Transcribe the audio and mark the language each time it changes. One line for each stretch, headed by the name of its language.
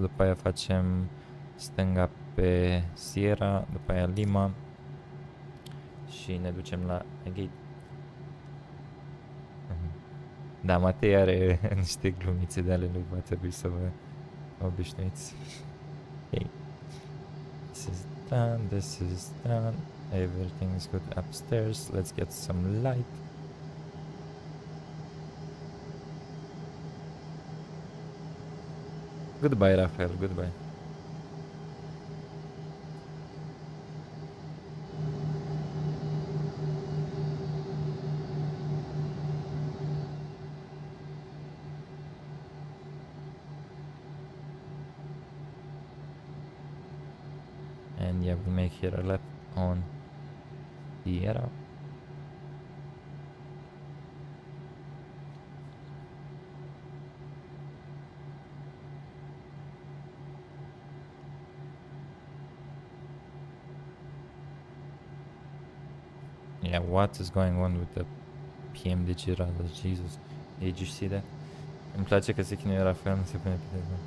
Romanian: După aia facem stânga pe Sierra, după aia Lima și ne ducem la Agate. Da, Matei are niște glumițe de ale lui, va trebui să vă obișnuiți.
English: Okay. This is done, this is done, everything is good upstairs, let's get some light. Goodbye, Rafael, goodbye. Here I left on the arrow. Yeah, what is going on with the PMDG rudder? Jesus, did you see that?
Romanian: Îmi place că se chinuie Rafael, nu se pune pe telefon.